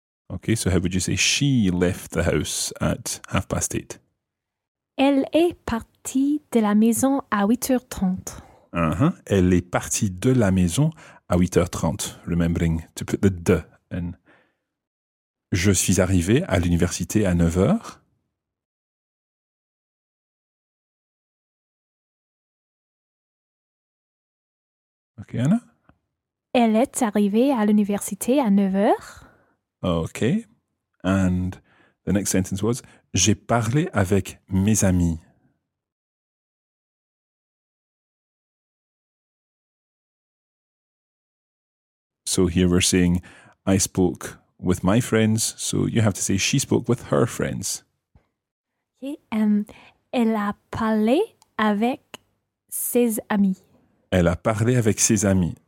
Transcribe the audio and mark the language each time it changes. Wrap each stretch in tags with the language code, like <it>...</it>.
<en>Okay, so how would you say she left the house at 8:30?</en> <fr>Elle est partie de la maison à 8h30. Elle est partie de la maison à 8h30.</fr> <en>Remembering to put the de in.</en> <fr>Je suis arrivé à l'université à 9h.</fr> <en>Okay, Anna?</en> <fr>Elle est arrivée à l'université à 9h.</fr> <en>Okay, and the next sentence was,</en> <fr>j'ai parlé avec mes amis.</fr> <en>So here we're saying, I spoke with my friends. So you have to say, she spoke with her friends. Okay.</en> <fr>Elle a parlé avec ses amis. Elle a parlé avec ses amis.</fr>